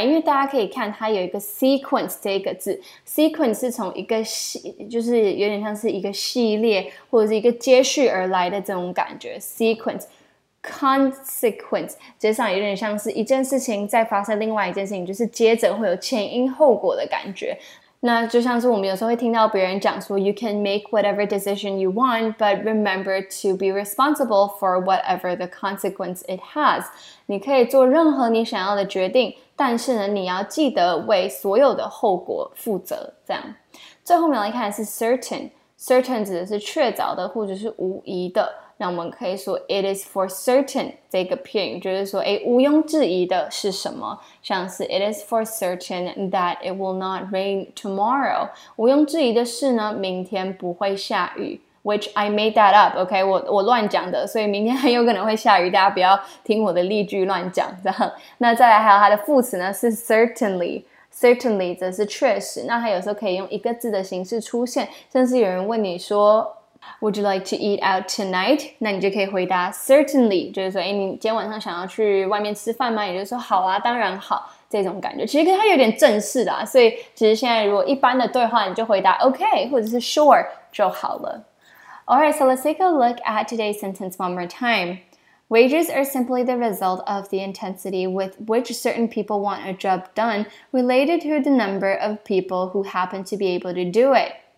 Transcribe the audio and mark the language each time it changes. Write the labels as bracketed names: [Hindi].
[Chinese] 因为大家可以看，它有一个 sequence 这一个字 ，sequence 是从一个系，就是有点像是一个系列或者是一个接续而来的这种感觉 ，sequence。 Consequence 接上有点像是一件事情再发生另外一件事情，就是接着会有前因后果的感觉。那就像是我们有时候会听到别人讲说 [English] You can make whatever decision you want, but remember to be responsible for whatever the consequence it has. [Chinese] 你可以做任何你想要的决定，但是呢，你要记得为所有的后果负责。这样，最后我们来看的是 certain， certain 指的是确凿的或者是无疑的。那我们可以说 [English] it is for certain [Chinese] 这个片语就是说诶毋庸置疑的是什么像是 [English] it is for certain that it will not rain tomorrow [Chinese] 毋庸置疑的是呢明天不会下雨 [English] which I made that up OK [Chinese] 我乱讲的所以明天很有可能会下雨大家不要听我的例句乱讲这样那再来还有它的副词呢是 certainly certainly 则是确实那它有时候可以用一个字的形式出现甚至有人问你说 [English] Would you like to eat out tonight? [Chinese] 那你就可以回答 certainly, 就是说诶你今天晚上想要去外面吃饭吗也就是说好啊当然好这种感觉。其实它有点正式的啊所以其实现在如果一般的对话你就回答 OK, 或者是 sure, 就好了。 [English] Alright, so let's take a look at today's sentence one more time. Wages are simply the result of the intensity with which certain people want a job done related to the number of people who happen to be able to do it.